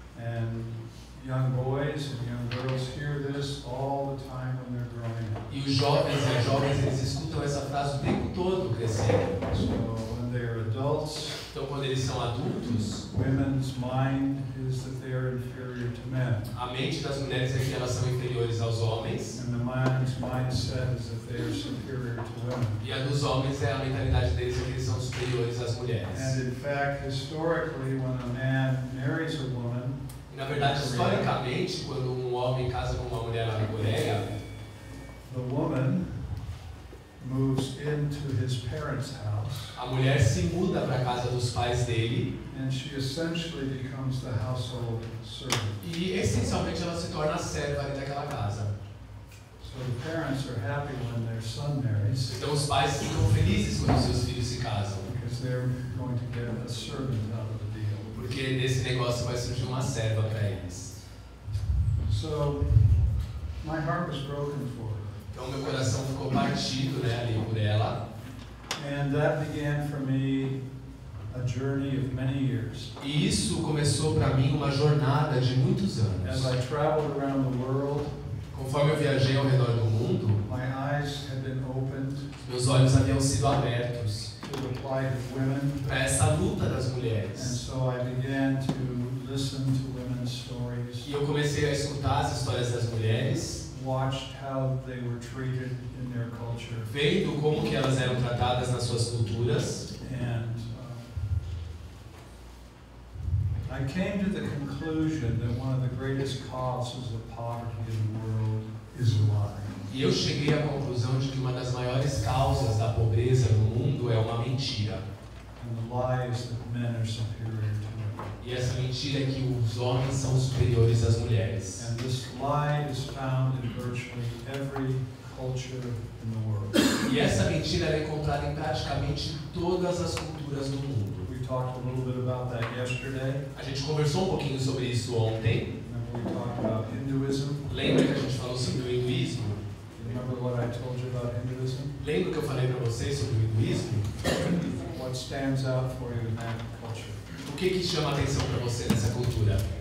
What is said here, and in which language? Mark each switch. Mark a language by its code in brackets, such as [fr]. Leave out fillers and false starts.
[en] And young boys and young girls hear this all the time when they're growing up. [pt] E os jovens e as jovens eles escutam essa frase o tempo todo crescendo. [en] So when they are adults, [pt] então quando eles são adultos, [en] women's mind is that they are inferior to men. [pt] A mente das mulheres é que elas são inferiores aos homens. [en] And the man's mindset is that they are superior to women. [pt] E a dos homens é a mentalidade deles é que eles são superiores às mulheres. [en] And in fact, historically, when a man marries a woman. [pt] Na verdade, historicamente, quando um homem casa com uma mulher na Coreia, [en] the woman moves into his parents' house. [pt] A mulher se muda para a casa dos pais dele. [en] And she essentially becomes the household servant. [pt] E essencialmente ela se torna serva daquela casa. [en] So the parents are happy when their son marries. [pt] Então os pais ficam felizes quando seus filhos se casam. [en] Because they're going to get a servant out of the deal. [pt] Porque nesse negócio vai surgir uma serva para eles. [en] So my heart was broken for her. [pt] Então meu coração ficou partido, né, ali por ela. [en] And that began for me a journey of many years. [pt] E isso começou para mim uma jornada de muitos anos. [en] As I traveled around the world, [pt] conforme eu viajei ao redor do mundo, [en] my eyes had been opened, [pt] meus olhos haviam sido abertos [en] to the plight of women, [pt] para essa luta das mulheres. [en] And so I began to listen to women's stories. [pt] E eu comecei a escutar as histórias das mulheres, [en] watched how they were treated in their culture, [pt] vendo como que elas eram tratadas nas suas culturas, [en] and I came to the conclusion that one of the greatest causes of poverty in the world is lying. [pt] E eu cheguei à conclusão de que uma das maiores causas da pobreza no mundo é uma mentira. [en] And the lies that men are superior to women. [pt] E essa mentira é que os homens são superiores às mulheres. [en] And this lie is found in virtually every culture in the world. [pt] E essa mentira é encontrada em praticamente todas as culturas do mundo. [en] We talked a little bit about that yesterday. [pt] A gente conversou um pouquinho sobre isso ontem. [en] Remember we talked about Hinduism. [pt] Lembra que a gente falou sobre o hinduísmo? [en] Remember what I told you about Hinduism? [pt] Lembra que eu falei para vocês sobre o hinduísmo? [en] What stands out for you in that culture? [pt] O que que chama a atenção para você nessa cultura?